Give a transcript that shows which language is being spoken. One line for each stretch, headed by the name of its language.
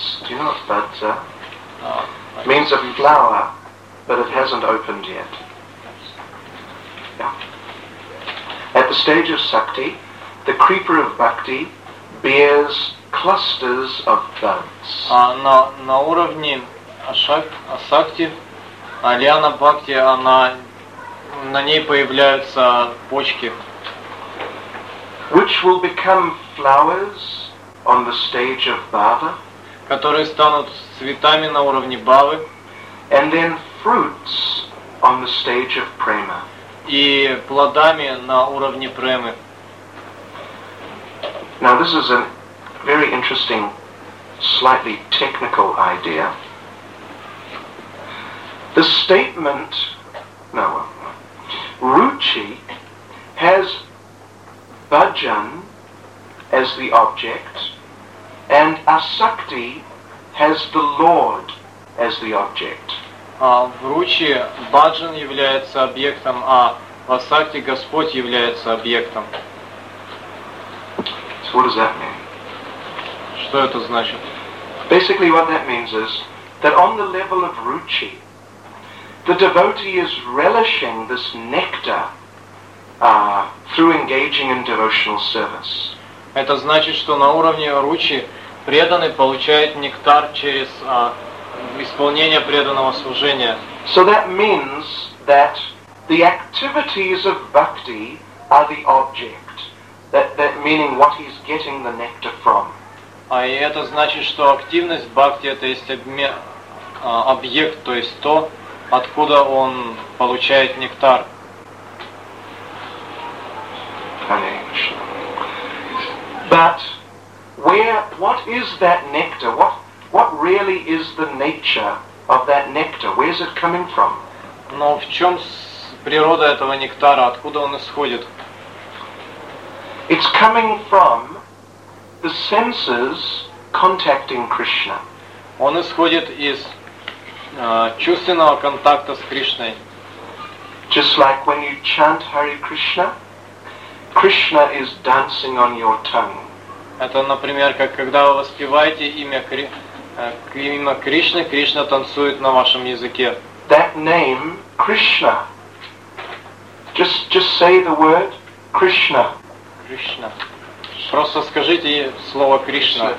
English: Do you know what buds are? It means a flower, but it hasn't opened yet. Yeah. At the stage of sakti, the creeper of bhakti bears clusters of buds.
Russian: На уровне асакти, лиана бхакти, она, на ней появляются почки.
English: Which will become flowers on the stage of bhava.
Russian: Которые станут цветами на уровне бхавы.
English: And then fruits on the stage of prema.
Russian: И плодами на уровне премы.
English: Now this is a very interesting, slightly technical idea. The statement, ruchi has bhajan as the object, and asakti has the Lord as the object.
Russian: В ручи бхаджан является объектом, а в асакти Господь является объектом.
English: So what does that mean?
Russian: Что это значит?
English: Basically what that means is that on the level of ruchi, the devotee is relishing this nectar through engaging in devotional service.
Russian: Это значит, что на уровне ручи преданный получает нектар через исполнение преданного служения.
English: So that means that the activities of bhakti are the object. That meaning what he's getting the nectar from.
Russian: А это значит, что активность бхакти это есть объект, то есть то, откуда он получает нектар.
English: But where, what is that nectar? What really is the nature of that nectar? Where is it coming from?
Russian: Но в чем природа этого нектара? Откуда он исходит?
English: It's coming from the senses contacting Krishna.
Russian: Он исходит из чувственного контакта с Кришной.
English: Just like when you chant Hare Krishna, Krishna is dancing on your tongue.
Russian: Это, например, как когда вы воспеваете имя Кришны, Кришна танцует на вашем языке.
English: That name, Krishna. Just say the word Krishna. Krishna.
Russian: Просто скажите слово Кришна.